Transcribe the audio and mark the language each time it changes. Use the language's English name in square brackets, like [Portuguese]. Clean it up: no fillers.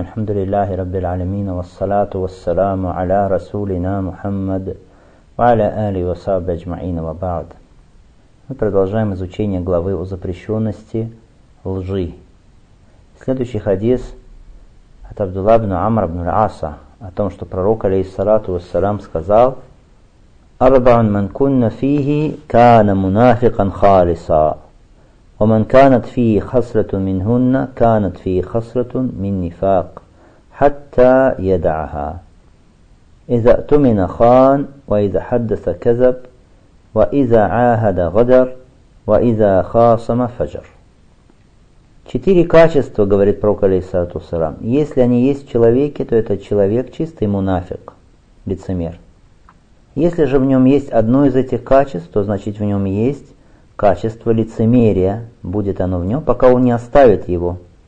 [Arabic] الحمد لله رب العالمين، والصلاة والسلام على رسولنا محمد وعلى آله وصحبه أجمعين، وبعد. [Russian] Мы продолжаем изучение главы о запрещенности лжи. Следующий хадис от Абдулла ибн Амра ибн Аса о том, что пророк алейхиссалату вассалам сказал: [Arabic] «Арбаун ман кунна фихи кана мунафикан халиса». ومن كانت فيه خصلة منهن كانت فيه خصلة من نفاق حتى يدعها إذا أؤتمن خان وإذا حدث كذب وإذا عاهد غدر وإذا خاصم فجر. [Russian] Четыре качества, говорит пророк алейхиссалату вассалам, если они есть в человеке, то этот человек чистый мунафик, лицемер. Если же в нем есть одно из этих качеств, то значит в нем есть качество лицемерия, будет оно в нем, пока он не оставит его.